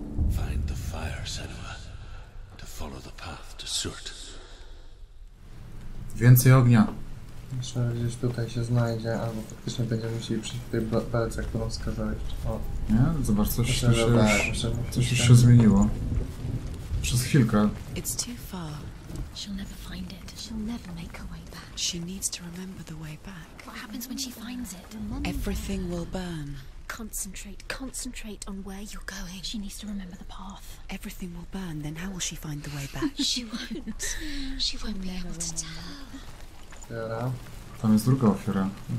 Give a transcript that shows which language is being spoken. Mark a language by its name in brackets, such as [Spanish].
[English] Find the fire, Senua, to follow the path to Surt. [Polish] Więcej ognia. Myślę, że gdzieś tutaj się znajdzie, albo faktycznie będziemy musieli przyjść w tej belce, którą wskazałeś. O. Nie? Zobacz, coś myślę, się, już, myślę, coś się, się zmieniło. Przez chwilkę. [English] It's too far. She'll never find it. She'll never make her way back. She needs to remember the way back. What happens when she finds it? Everything will burn. Concentrate on where you're going. She needs to remember the path. Everything will burn, then how will she find the way back? She won't be able to tell. [Polish] Ofiara. Tam jest druga ofiara.